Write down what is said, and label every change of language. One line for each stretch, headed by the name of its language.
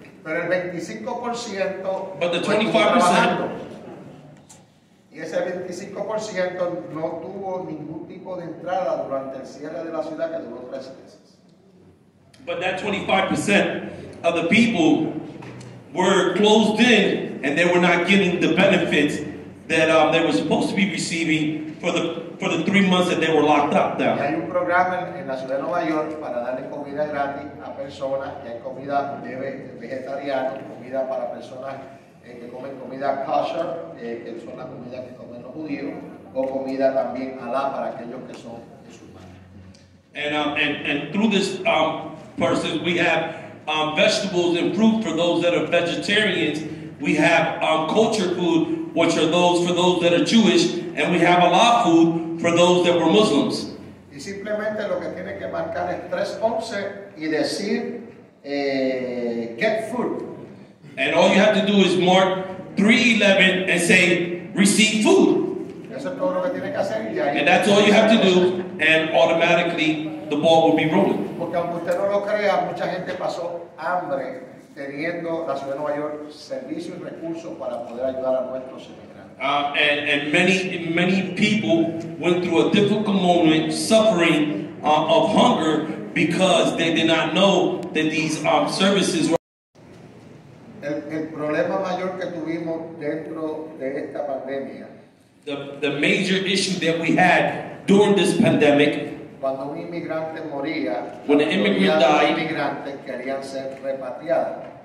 Spanish: Pero el 25%,
English: but the 25%,
Spanish: y ese 25% no tuvo ningún tipo de entrada durante el cierre de la ciudad que duró tres meses.
English: But that 25% of the people were closed in and they were not getting the benefits that they were supposed to be receiving for the 3 months that they were locked up down.
Spanish: Hay un programa en la ciudad de Nueva York para darle comida gratis a personas que hay comida vegetariana, comida para personas que comen comida kosher, que son las comidas que comen los judíos, o comida también halal para aquellos que son musulmanes.
English: And through this person, we have vegetables and fruit for those that are vegetarians. We have kosher food, which are those for those that are Jewish, and we have halal food for those that were Muslims.
Spanish: Y simplemente lo que tiene que marcar es 311 y decir
English: get food. And all you have to do is mark 311 and say receive food.
Spanish: Eso es todo lo que tiene que hacer y ahí.
English: And that's all you have to do, and automatically the ball will be rolling.
Spanish: Porque aunque usted no lo crea, mucha gente pasó hambre teniendo la ciudad de Nueva York servicio y recursos para poder ayudar a nuestros inmigrantes.
English: And many people went through a difficult moment suffering of hunger because they did not know that these services were.
Spanish: El problema mayor que tuvimos dentro de esta pandemia.
English: The major issue that we had during this pandemic.
Spanish: Cuando un inmigrante moría,
English: when an immigrant died,
Spanish: inmigrantes querían ser repatriados.